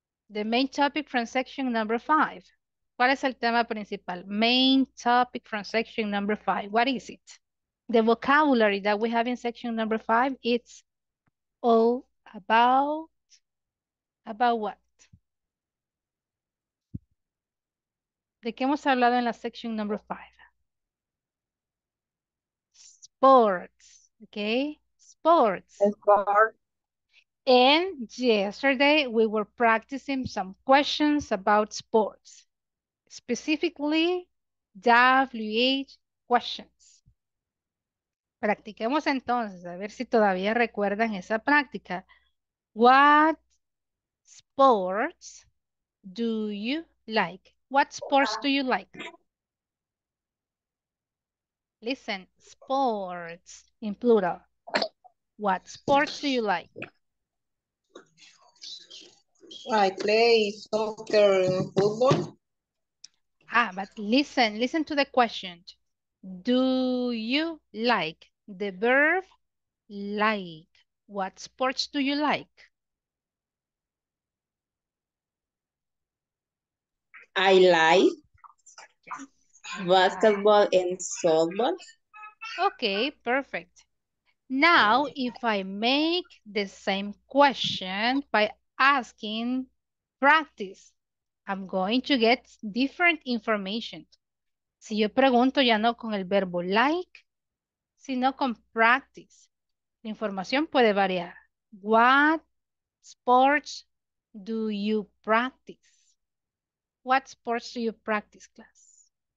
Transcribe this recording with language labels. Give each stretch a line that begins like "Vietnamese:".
English: The main topic from section number 5.
Spanish: ¿Cuál es el tema principal?
English: Main topic from section number 5. What is it? The vocabulary that we have in section number 5, it's all about what?
Spanish: ¿De qué hemos hablado en la
English: section number 5? Sports, okay? Sports. And yesterday we were practicing some questions about sports, specifically WH questions.
Spanish: Practiquemos entonces, a ver si todavía recuerdan esa práctica.
English: What sports do you like? What sports do you like? Listen, sports in plural. What sports do you like? I play soccer and football. Ah, but listen to the question. Do you like the verb like? What sports do you like? I like Ah. basketball and softball. Okay, perfect. Now, if I make the same question by asking practice, I'm going to get different information.
Spanish: Si yo pregunto ya no con el verbo like, sino con practice, la información puede variar.
English: What sports do you practice? What sports do you practice, class?